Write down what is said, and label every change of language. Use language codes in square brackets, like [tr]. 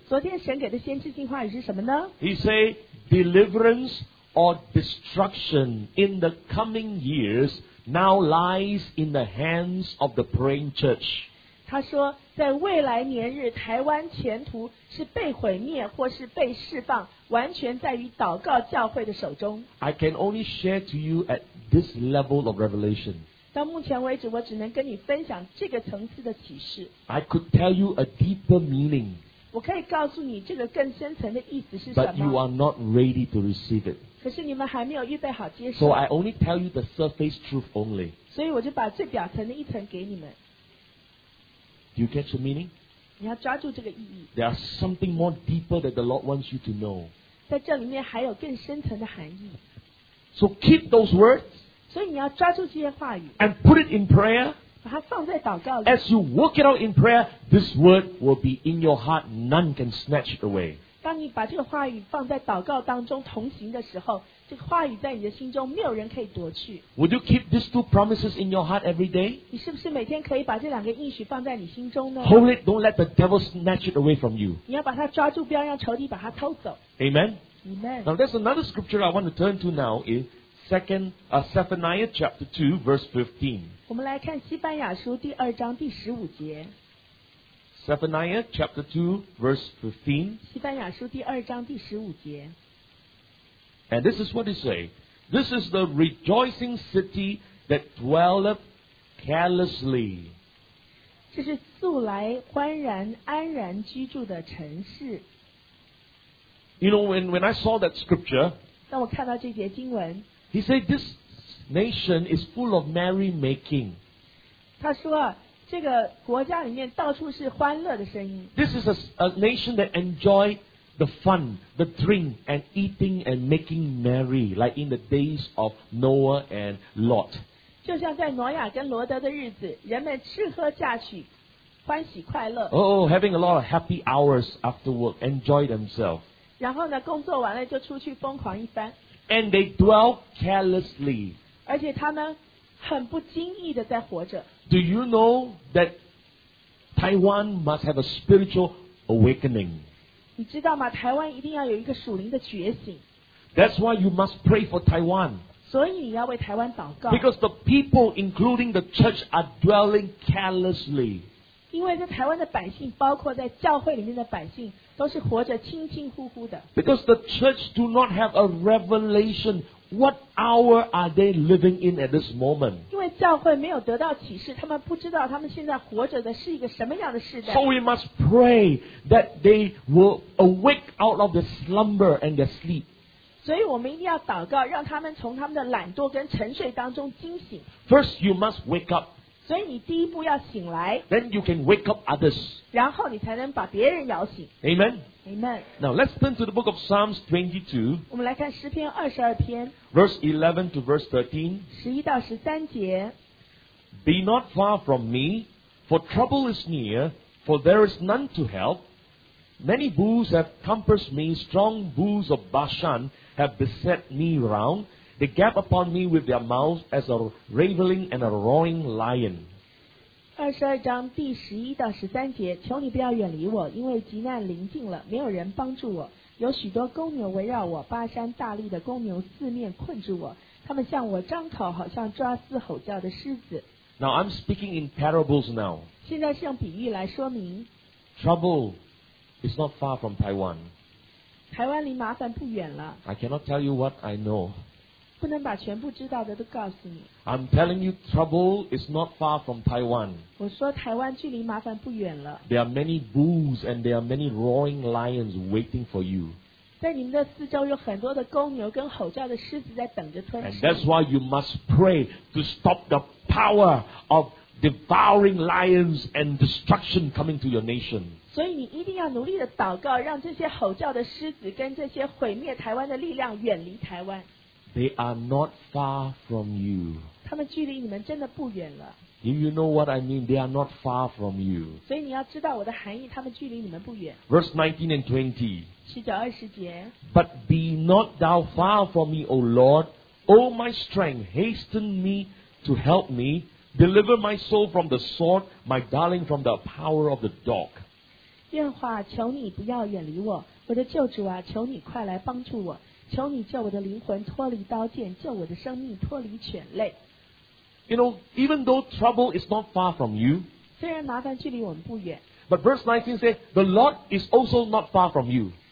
[zh] 昨天神给的先知性话语是什么呢 [en] ？He said, "Deliverance or destruction in the coming years now lies in the hands of the praying church." [zh] 他说，在未来年日，台湾前途是被毁灭或是被释放，完全在于祷告教会的手中。 [en] I can only share to you at this level of revelation. [zh] 到目前为止，我只能跟你分享这个层次的启示。 [en] I could tell you a deeper meaning. [zh] 我可以告诉你这个更深层的意思是什么。 [en] But you are not ready to receive it. [zh] 可是你们还没有预备好接受。 [en] So I only tell you the surface truth only. [zh] 所以我就把最表层的一层给你们。 [en] Do you catch the meaning? [zh] 你要抓住这个意义。 [en] There is something more deeper that the Lord wants you to know. [zh] 在这里面还有更深层的含义。 [en] So keep those words. [zh] 所以你要抓住这些话语 [en] and put it in prayer, [zh] 把它放在祷告里 [en] as you work it out in prayer, this word will be in your heart, none can snatch it away. [zh] 当你把这个话语放在祷告当中同行的时候，这个话语在你的心中没有人可以夺去。 [en] Would you keep these two promises in your heart every day? [zh] 你是不是每天可以把这两个应许放在你心中呢？ [en] Hold it, don't let the devil snatch it away from you. [zh] 你要把它抓住，不要让仇敌把它偷走。 [en] Amen. Amen. Now there's another scripture I want to turn to now is. Zephaniah chapter 2 verse 15. [zh] 我们来看西班牙书第二章第十五节。 [en] Zephaniah chapter 2 verse 15. [zh] 西班牙书第二章第十五节。 [en] And this is what it says. This is the rejoicing city that dwelleth carelessly. [zh] 这是素来欢然安然居住的城市。 [en] You know, when I saw that scripture, [zh] 当我看到这节经文 [en] He said, "This nation is full of merrymaking." [zh] 他说啊，这个国家里面到处是欢乐的声音。 [en] This is a nation that enjoy the fun, the drink, and eating and making merry, like in the days of Noah and Lot. [zh] 就像在挪亚跟罗德的日子，人们吃喝嫁娶，欢喜快乐。 [en] Oh, having a lot of happy hours after work, enjoy themselves. [zh] 然后呢，工作完了就出去疯狂一番。 [en] and they dwell carelessly. [zh] 而且他们很不经意的在活着。 [en] Do you know that Taiwan must have a spiritual awakening? [zh] 你知道吗？台湾一定要有一个属灵的觉醒。 [en] That's why you must pray for Taiwan. [zh] 所以你要为台湾祷告。 [en] Because the people, including the church, are dwelling carelessly. [zh] 因为在台湾的百姓，包括在教会里面的百姓，都是活着轻轻忽忽的。 [en] Because the church do not have a revelation, what hour are they living in at this moment? [zh] 因为教会没有得到启示，他们不知道他们现在活着的是一个什么样的时代。 [en] So we must pray that they will awake out of their slumber and their sleep. [zh] 所以我们一定要祷告，让他们从他们的懒惰跟沉睡当中惊醒。 [en] First, you must wake up. [zh] 所以你第一步要醒来 [en] Then you can wake up others. [zh] 然后你才能把别人摇醒 [en] Amen. Amen. Now let's turn to the book of Psalms 22. [zh] 我们来看诗篇22篇 [en] Verse 11 to verse 13. [zh] 11到13节 [en] Be not far from me, for trouble is near, for there is none to help. Many bulls have compassed me, strong bulls of Bashan have beset me round. They gap upon me with their mouths as a raving and a roaring lion. [zh] 二十二章第十一到十三节，求你不要远离我，因为急难临近了，没有人帮助我。有许多公牛围绕我，巴山大力的公牛四面困住我，他们向我张口，好像抓嘶吼叫的狮子。 [en] Now I'm speaking in parables now. [zh] 现在是用比喻来说明。 [en] Trouble is not far from Taiwan. [zh] 台湾离麻烦不远了。 [en] I cannot tell you what I know. [zh] 不能把全部知道的都告诉你。 [en] I'm telling you, trouble is not far from Taiwan. [zh] 我说台湾距离麻烦不远了。 [en] There are many bulls and there are many roaring lions waiting for you. [zh] 在你们的四周有很多的公牛跟吼叫的狮子在等着吞噬。 [en] And that's why you must pray to stop the power of devouring lions and destruction coming to your nation. [zh] 所以你一定要努力的祷告，让这些吼叫的狮子跟这些毁灭台湾的力量远离台湾。 [en] They are not far from you. [zh] 他们距离你们真的不远了。 [en] Do you know what I mean? They are not far from you. [zh] 所以你要知道我的含义，他们距离你们不远。 [en] Verse 19 and 20. [zh] 十九二十节。 [en] But be not thou far from me, O Lord. O my strength, hasten me to help me. Deliver my soul from the sword, my darling from the power of the dog. [zh] 愿话求你不要远离我，我的救主啊，求你快来帮助我。求你救我的灵魂脱离刀剑，救我的生命脱离犬类。 [en] You know, even though trouble is not far from you, [zh] 虽然麻烦距离我们不远 [en] ，but verse 19 says the Lord is also not far from you.